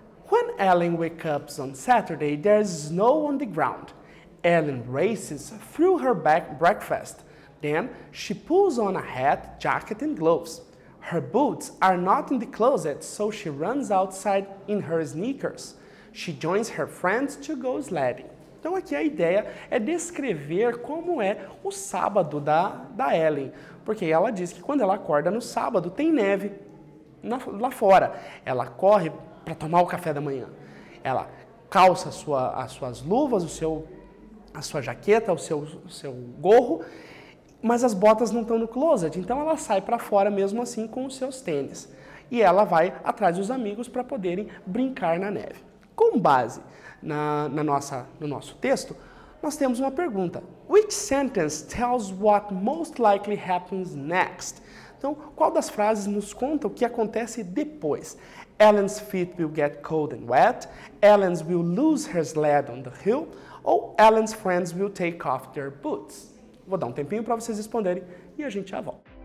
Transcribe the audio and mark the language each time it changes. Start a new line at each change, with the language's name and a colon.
English: When Ellen wakes up on Saturday, there's snow on the ground. Ellen races through her breakfast. Then, she pulls on a hat, jacket and gloves. Her boots are not in the closet, so she runs outside in her sneakers. She joins her friends to go sledding.
Portuguese: Então aqui a ideia é descrever como é o sábado da Ellen. Porque ela diz que quando ela acorda no sábado, tem neve lá fora. Ela corre para tomar o café da manhã. Ela calça as suas luvas, a sua jaqueta, o seu gorro, mas as botas não estão no closet. Então ela sai para fora mesmo assim com os seus tênis. E ela vai atrás dos amigos para poderem brincar na neve. Com base no nosso texto, nós temos uma pergunta.
English: Which sentence tells what most likely happens next?
Portuguese: Então, qual das frases nos conta o que acontece depois?
English: Ellen's feet will get cold and wet. Ellen's will lose her sled on the hill. Ou Ellen's friends will take off their boots?
Portuguese: Vou dar um tempinho para vocês responderem e a gente já volta.